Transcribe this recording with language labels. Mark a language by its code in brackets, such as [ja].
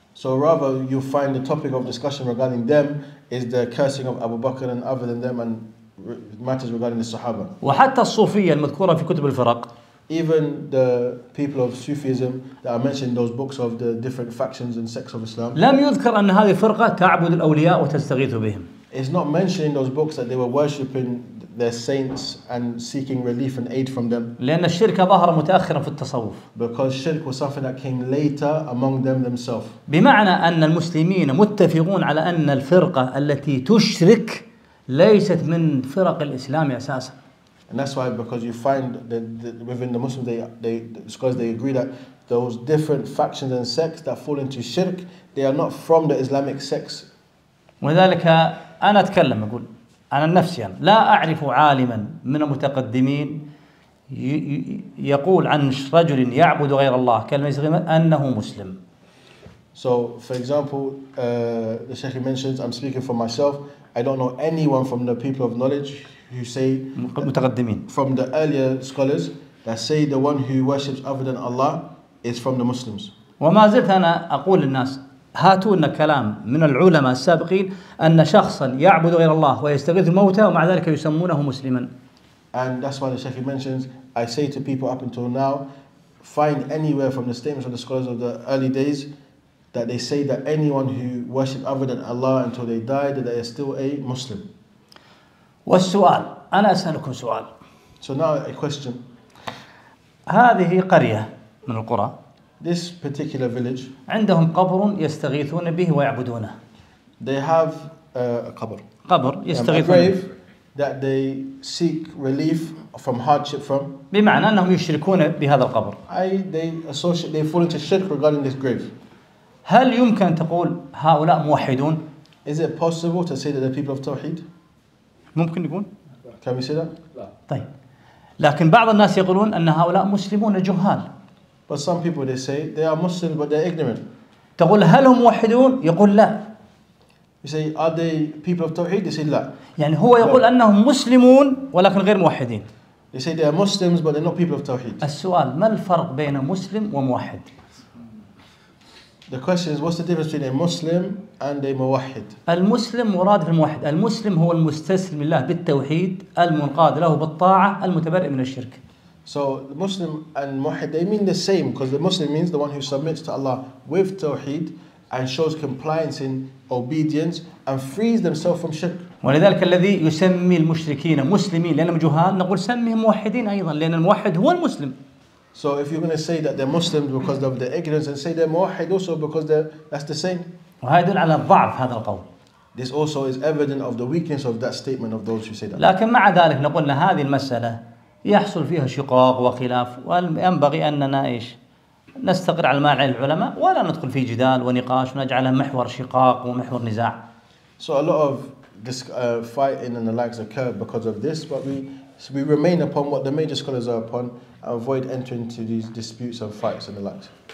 [en] So rather you find the topic of discussion regarding them is the cursing of Abu Bakr and other than them and matters regarding the Sahaba. [ar] وحتى الصوفية المذكورة في كتب الفرق. [en] Even the people of Sufism that are mentioned in those books of the different factions and sects of Islam. [ar] لم يذكر أن هذه الفرقة تعبد الأولياء وتستغيث بهم. [en] It's not mentioned in those books that they were worshipping their saints and seeking relief and aid from them. [ar] لأن الشرك ظهر متأخرا في التصوف. [en] Because shirk was something that came later among them themselves. [ar] بمعنى أن المسلمين متفقون على أن الفرقة التي تشرك ليست من فرق الإسلام أساسا. [en] And that's why, because you find that within the Muslims, the scholars agree that those different factions and sects that fall into shirk, they are not from the Islamic sects. [ar] وذلك أنا أتكلم أقول أنا نفسيا لا أعرف عالما من المتقدمين يقول عن رجل يعبد غير الله كلمة يسغم أنه مسلم. [en] So for example, the Sheikh mentions, I'm speaking for myself, I don't know anyone from the people of knowledge who say [ar] متقدمين [en] from the earlier scholars that say the one who worships other than Allah is from the Muslims. [ar] وما زلت أنا أقول للناس هاتون كلام من العلماء السابقين أن شخصا يعبد غير الله ويستغيث الموتى ومع ذلك يسمونه مسلما. [en] And that's why the Sheikh mentions, I say to people up until now, find anywhere from the statements of the scholars of the early days that they say that anyone who worship other than Allah until they died, that they are still a Muslim. [ar] والسؤال أنا أسألكم سؤال. [en] So now a question. [ar] هذه قرية من القرى. [en] This particular village. [ar] عندهم قبر يستغيثون به ويعبدونه. [en] They have a قبر. [ar] قبر يستغيثون. [en] A grave that they seek relief from hardship from. [ar] بمعنى أنهم يشركون بهذا القبر. [en] They fall into shirk regarding this grave. [ar] هل يمكن تقول هؤلاء موحدون؟ [en] Is it possible to say that the people of Tawheed? [ar] ممكن يكون. [en] Can we say that? [ar] لا. طيب. لكن بعض الناس يقولون أن هؤلاء مسلمون جهال. [en] But some people they say they are Muslim but they're ignorant. [ar] تقول هل هم موحدون؟ يقول لا. [en] You say are they people of Tawheed? They say لا. [ar] يعني هو يقول أنهم مسلمون ولكن غير موحدين. [en] They say they are Muslims but they're not people of Tawheed. [ar] السؤال ما الفرق بين مسلم وموحد؟ [en] The question is what's the difference between a Muslim and a موحد؟ [ar] المسلم مراد بالموحد. المسلم هو المستسلم لله بالتوحيد المنقاد له بالطاعة المتبرئ من الشرك. [en] So Muslim and Muwahhid, they mean the same, because the Muslim means the one who submits to Allah with Tawheed and shows compliance in obedience and frees themselves from shirk. [ar] ولذلك الذي يسمي المشركين مسلمين لأنهم جهال نقول سمهم موحدين أيضا لأن الموحد هو المسلم. [en] So if you're going to say that they're Muslims because of their ignorance and say they're Muwahhid also because that's the same. [ar] وهذا يدل على ضعف هذا القول. [en] This also is evident of the weakness of that statement of those who say that. [ar] لكن مع ذلك نقول أن هذه المسألة يحصل فيها شقاق وخلاف وينبغي أننا إيش نستقر على المعنى العلماء ولا ندخل في جدال ونقاش ونجعله محور شقاق ومحور نزاع. [en] So a lot of this fighting and the likes occur because of this, but we remain upon what the major scholars are upon and avoid entering into these disputes and fights and the likes.